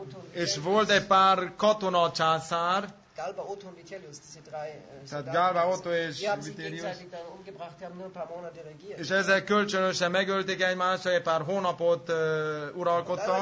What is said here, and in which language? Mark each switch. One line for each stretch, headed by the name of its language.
Hungarian: És volt egy pár katona császár.
German: Galba, Otto und Vitellius, diese drei
Hungarian: Soldaten. Galba, Otto és Vitellius.
German: Die haben sich gegenseitig umgebracht, die haben nur ein paar Monate regiert.
Hungarian: És ezzel kölcsönösen megölték egymást, egy pár hónapot uralkodtak.